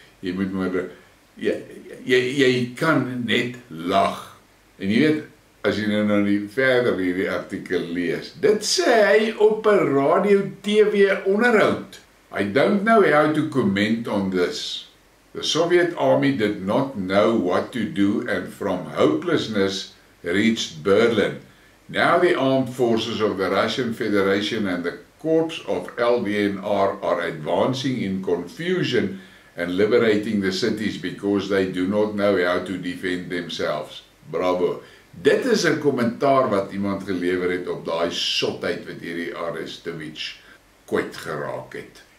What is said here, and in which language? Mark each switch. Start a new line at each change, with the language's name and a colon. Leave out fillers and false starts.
Afrikaans: Jy moet maar jy kan net lag. En jy weet, as jy nou die verder hierdie artikel lees, dit sê hy op 'n radio TV onderhoud.
English: I don't know how to comment on this. The Soviet army did not know what to do and from hopelessness reached Berlin. Now the armed forces of the Russian Federation and the corps of LDNR are advancing in confusion and liberating the cities because they do not know how to defend themselves. Bravo.
Afrikaans: Dit is 'n kommentaar wat iemand gelewer het op daai shotheid wat hierdie Arestovich kwyt geraak het.